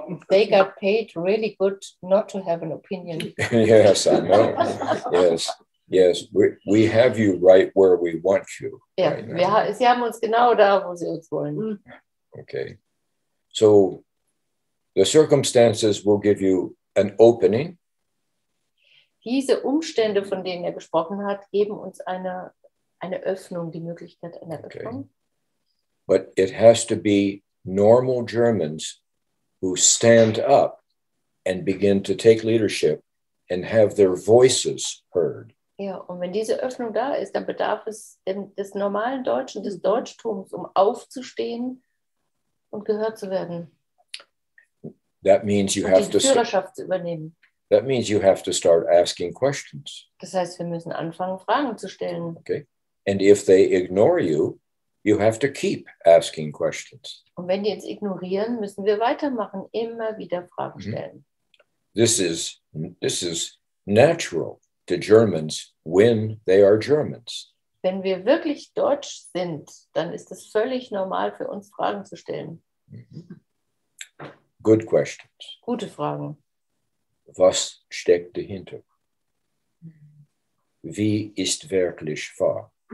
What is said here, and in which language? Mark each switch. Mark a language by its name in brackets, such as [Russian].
[English] They got paid really good not to have an opinion. Yes, I know. Yes, yes. We have you right where we want you. Yeah, right, [German] sie haben uns genau da, wo sie uns wollen. [English] Okay. So the circumstances will give you an opening. [German] Diese Umstände, von denen er gesprochen hat, geben uns eine Öffnung, die Möglichkeit einer Öffnung. [English] Okay. But it has to be normal Germans who stand up and begin to take leadership and have their voices heard. [German] Ja, und wenn diese Öffnung da ist, dann bedarf es des normalen Deutschen, des Deutschtums, um aufzustehen und gehört zu werden. [English] That means you have to [German] Führerschaft zu übernehmen. [English] That means you have to start asking questions. [German] Das heißt, wir müssen anfangen, Fragen zu stellen. [English] Okay. And if they ignore you, you have to keep asking questions. [German] Und wenn die uns ignorieren, müssen wir weitermachen, immer wieder Fragen stellen. [English] This is natural to Germans when they are Germans. [German] Wenn wir wirklich Deutsch sind, dann ist es völlig normal für uns, Fragen zu stellen. [English] Good questions. [German] Gute Fragen. Was steckt dahinter? Wie ist wirklich wahr?